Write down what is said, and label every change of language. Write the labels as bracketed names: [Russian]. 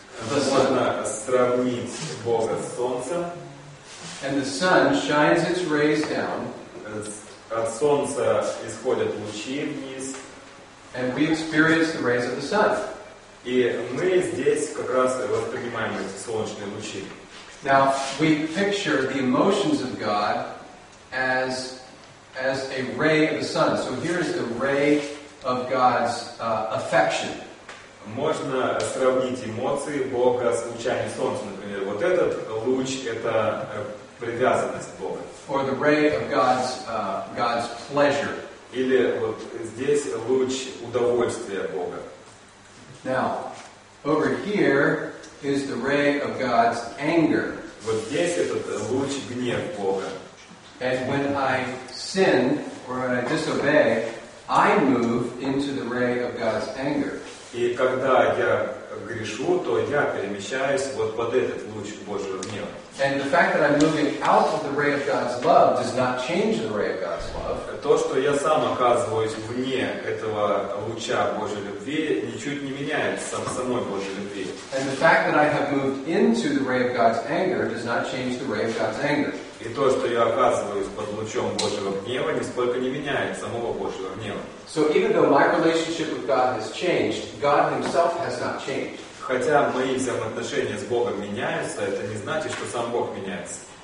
[Russian] Можно сравнить Бога с солнцем. [English] And the sun shines its rays down. [Russian] От солнца исходят лучи вниз. [English] And we experience the rays of the sun. [Russian] И мы здесь как раз воспринимаем эти солнечные лучи. [English] Now we picture the emotions of God as a ray of the sun. So here is the ray of God's affection. [Russian] Можно сравнить эмоции Бога с лучами солнца, например. Вот этот луч — это привязанность Бога. [English] Or the ray of God's pleasure. [Russian] Или вот здесь луч удовольствия Бога. [English] Now, over here is the ray of God's anger. [Russian] Вот здесь этот луч гнев Бога. [English] And when I sin or when I disobey, I move into the ray of God's anger. [Russian] И когда я грешу, то я перемещаюсь вот под этот луч Божьего гнева. [English] And the fact that I'm moving out of the ray of God's love does not change the ray of God's love. [Russian] То, что я сам оказываюсь вне этого луча Божьей любви, ничуть не меняет самой Божьей любви. [English] And the fact that I have moved into the ray of God's anger does not change the ray of God's anger. [Russian] И то, что я оказываюсь под лучом Божьего гнева, нисколько не меняет самого Божьего гнева. [English] So even though my relationship with God has changed, God Himself has not changed. [Russian] Хотя мои взаимоотношения с Богом меняются, это не значит, что сам Бог меняется.